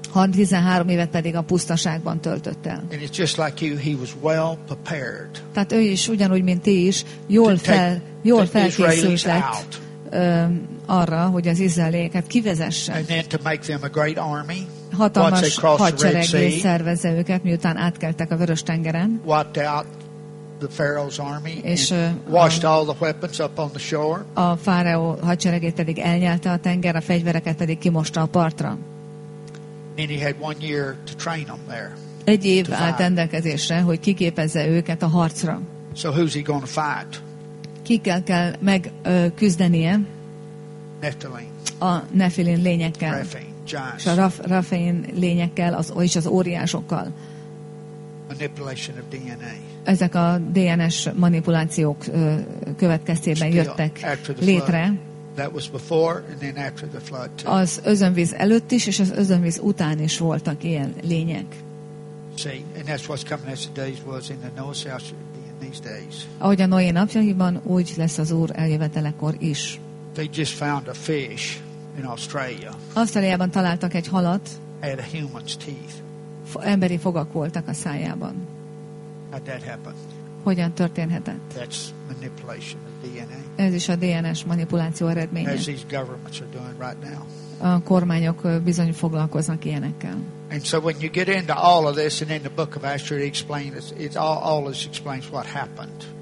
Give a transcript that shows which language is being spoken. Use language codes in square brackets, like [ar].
[hu] 13 évet pedig a pusztaságban töltött el. [en] And it's just like you, he was well prepared. [hu] Tehát ő is ugyanúgy, mint ti is, jól felkészült lett arra, hogy az izraelieket kivezesse. [en] And then to make them a great army. [hu] Hatalmas hadseregé szervezze őket, miután átkeltek a Vörös-tengeren. [en] Wiped out the Pharaoh's army and washed all the weapons up on the shore. [hu] A fáraó hadseregét pedig elnyelte a tenger, a fegyvereket pedig kimosta a partra. [en] And he had one year to train them there. [hu] Egy év állt rendelkezésre, hogy kiképezze őket a harcra. [en] So who's he going to fight? [hu] Kikkel kell megküzdenie? [en] Nephilim. [hu] A Nephilim lényekkel. [en] Raphaim. [hu] És a Raphaim lényekkel, és az óriásokkal. [en] Manipulation of DNA. [hu] Ezek a DNS manipulációk következtében jöttek létre. [en] That was before and then after the flood too. [hu] Az özönvíz előtt is és az özönvíz után is voltak ilyen lények. [en] See, and that's what's coming as the days was in the Noah's house in these days. [hu] Ahogy a Noé napjaiban, úgy lesz az Úr eljövetelekor is. [en] They just found a fish in Australia. [hu] Ausztráliában találtak egy halat. [en] Had a human's teeth. [hu] Emberi fogak voltak a szájában. [en] How'd that happen? [hu] Hogyan történhetett? [en] That's manipulation. [hu] Ez is a DNS manipuláció eredménye. [en] As these governments are doing right now. [hu] A kormányok bizony foglalkoznak ilyenekkel. [en] And so when you get into all of this and in the book of Esther it explains it all this explains what happened.